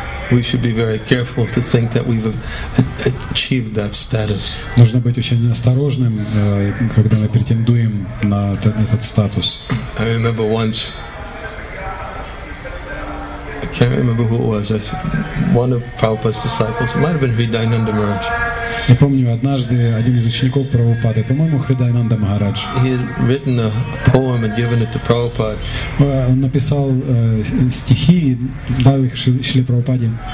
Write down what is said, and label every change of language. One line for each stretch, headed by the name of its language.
English: We should be very careful to think that we've achieved that status.
Russian: Нужно быть очень осторожным, когда мы претендуем на этот статус.
English: I remember once. I can't remember who it was. One of Prabhupada's disciples. It might have been Hridayananda Maharaj.
Russian: Я помню, однажды один из учеников Прабхупады, по-моему, Хридаянанда Махарадж.
English: He had written a poem and given it to Prabhupada.
Russian: Он написал стихи и дал их Шриле Прабхупаде.